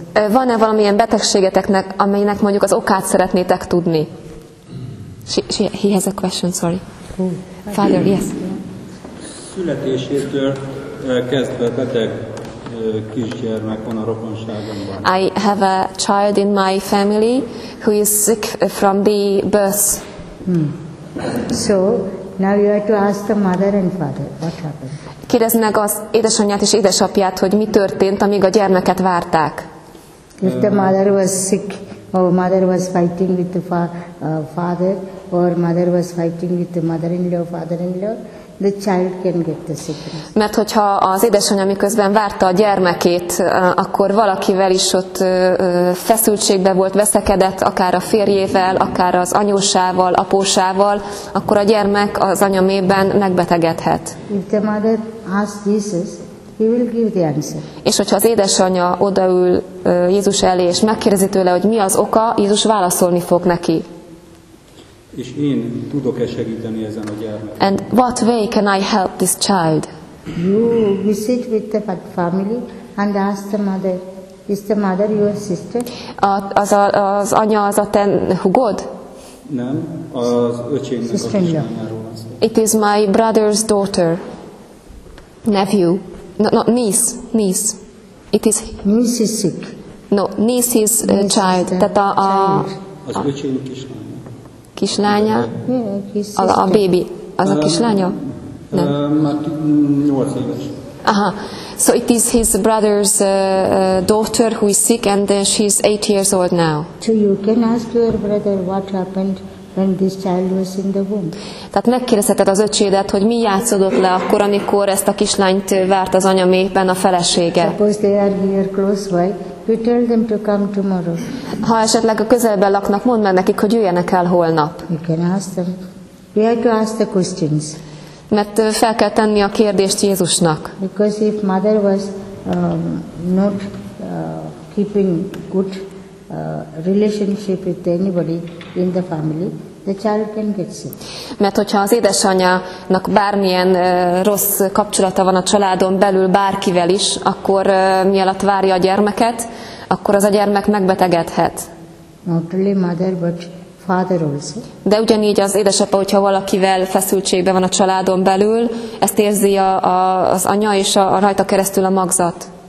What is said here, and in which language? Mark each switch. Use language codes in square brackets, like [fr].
[hu] Van-e valamilyen betegségeteknek, amelynek mondjuk az okát szeretnétek tudni? [en] He has a question, sorry. Oh. Father, yes. [hu] Születésétől kezdve beteg kisgyermek van a rokonságomban. [en] I have a child in my family who is sick from the birth. So now you have to ask the mother and father what happened. [hu] Kérdezd meg az édesanyját és édesapját, hogy mi történt, amíg a gyermeket várták. [en] If the mother was sick, or mother was fighting with the father, or mother was fighting with the mother-in-law, father-in-law, the child can get the sickness. [hu] Mert hogyha az édesanyja miközben várta a gyermekét, akkor valakivel is ott feszültségbe volt, veszekedett, akár a férjével, akár az anyósával, apósával, akkor a gyermek az anyamében megbetegedhet. [en] If the mother asks Jesus, he will give the answer. [hu] És hogyha az édesanyja odaül Jézus elé, és megkérdezi tőle, hogy mi az oka, Jézus válaszolni fog neki. És én tudok-e segíteni ezen a gyermeken? [en] And what way can I help this child? You visit with the family and ask the mother, is the mother your sister? [hu] Az anya az a te hugod? Nem, az öcsémnek [en] sister-in-law. [hu] A kislányáról van szó. [en] It is my brother's daughter, nephew, niece. It is niece is sick. No, niece is niece child. Is [hu] tehát a az öcsém kislánya. Kislánya? [en] Yeah, a baby. [hu] Az a kislánya? Nem. 8 éves. Aha. [en] So it is his brother's daughter who is sick, and she is 8 years old now. So you can ask your brother what happened when this child was in the womb. [hu] Tehát megkérdezheted az öcsédet, hogy mi játszódott le akkor, amikor ezt a kislányt várt az anya méhben a felesége. [en] Suppose they are here close by, you tell them to come tomorrow. [hu] Ha esetleg a közelben laknak, mondd meg nekik, hogy jöjjenek el holnap. [en] You can ask them. We have to ask the questions. [hu] Mert fel kell tenni a kérdést Jézusnak. [en] Because if mother was not keeping good relationship with anybody in the family, the child can get sick. [hu] Mert hogyha az édesanyának bármilyen rossz kapcsolata van a családon belül bárkivel is, akkor mielőtt várja a gyermeket, akkor az a gyermek megbetegedhet. [en] Not only mother, but father also. [hu] De ugyanígy az édesapa, hogyha valakivel feszültségben van a családon belül, ezt érzi az anya és a rajta keresztül a magzat.